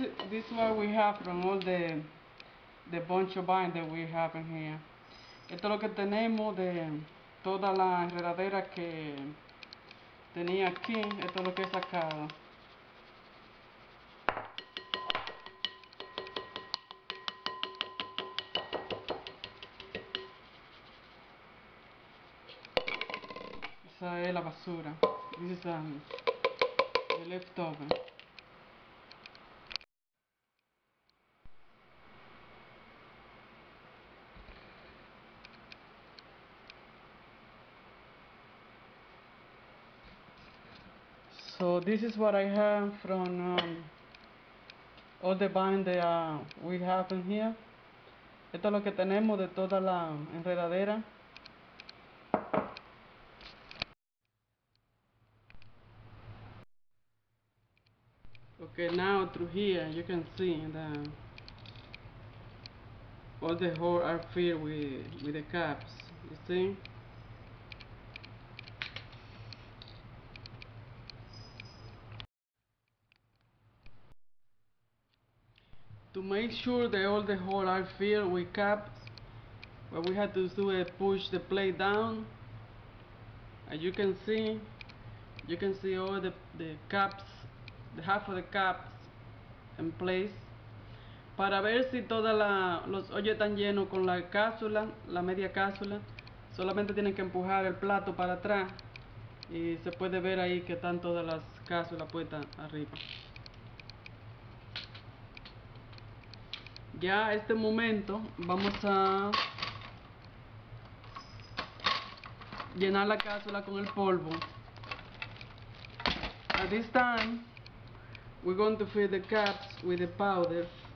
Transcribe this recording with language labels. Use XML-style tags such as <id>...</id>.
<en>This is what we have from all the bunch of vines that we have in here.</en> <es>Esto es lo que tenemos de toda la enredadera que tenía aquí. Esto es lo que he sacado. Esa es la basura.</es> <en>This is the leftover. So this is what I have from all the vines that we have in here.</en> <es>Esto es lo que tenemos de toda la enredadera.</es> <en>Okay, now through here you can see that all the holes are filled with the caps. You see? To make sure that all the holes are filled with caps, what we have to do is push the plate down. As you can see all the caps, the half of the caps in place.</en> <es>Para ver si todos los hoyos están llenos con la cápsula, la media cápsula, solamente tienen que empujar el plato para atrás y se puede ver ahí que están todas las cápsulas puestas arriba. Ya a este momento vamos a llenar la cápsula con el polvo.</es> <en>At this time, we're going to fill the caps with the powder.</en>